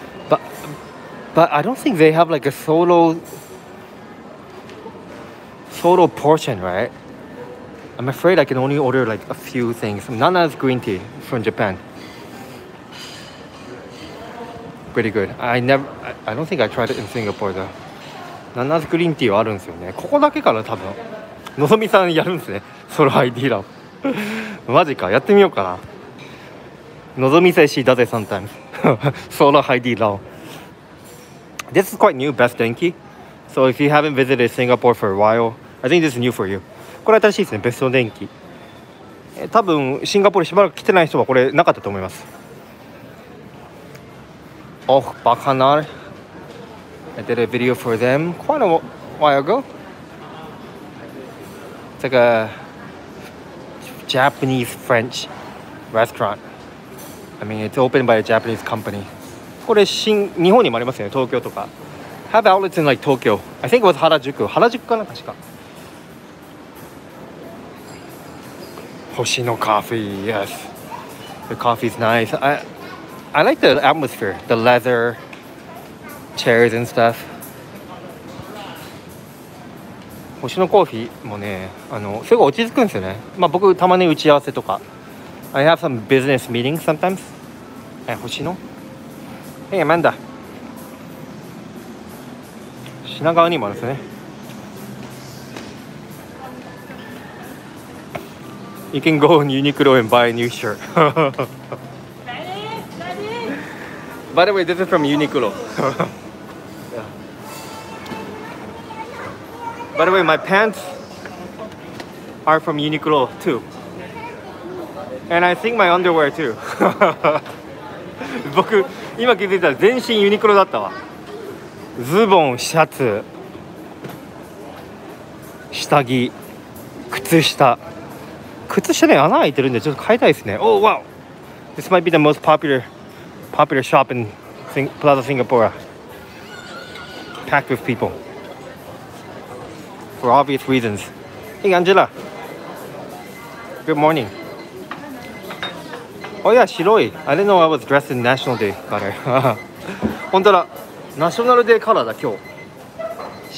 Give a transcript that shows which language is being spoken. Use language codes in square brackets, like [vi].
[en] But I don't think they have like a solo portion, right? I'm afraid I can only order like a few things. Nana's green tea from Japan. Pretty good. I don't think I tried it in Singapore though. [ja] Nana's green tea はあるんですよね。ここだけかな多分。のぞみさんやるんですね。ソロ ID ラボ。マジか。やってみようかな。のぞみせしだぜ sometimes。ソロ ID ラボ。 [en] This is quite new, Best Denki. So if you haven't visited Singapore for a while, I think this is new for you. [ja] これ新しいですね、ベスト電気。多分シンガポールしばらく来てない人はこれなかったと思います。 [en] Oh, Bacchanal. I did a video for them quite a while ago. It's like a Japanese-French restaurant. I mean, it's opened by a Japanese company. [ja] これ新日本にもありますよね、東京とか。 [en] Have outlets in like Tokyo. I think it was 原宿。 [ja] 原宿かな、確か。 [en] 星のカフェ、yes. The coffee is nice. I like the atmosphere, the leather, chairs and stuff. [ja] 星のコーヒーもね、すごい落ち着くんですよね。まあ僕、たまに打ち合わせとか。 [en] I have some business meetings sometimes. 星のHey, Amanda. [ja] 品川にもあるんですね。 [en] You can go on Uniqlo and buy a new shirt. By the way, this is from Uniqlo. By the way, my pants are from Uniqlo too. And I think my underwear too. [ja] 僕今気づいたら全身ユニクロだったわ。ズボン、シャツ、下着、靴下ね、穴開いてるんでちょっと買いたいですね。 [en] Oh wow, this might be the most popular shop in Plaza Singapura, packed with people for obvious reasons. Hey Angela, good morning Oh yeah, 白い。 I didn't know I was dressed in National Day color. [ja] 本当だ。ナショナルデーカラーだ、今日。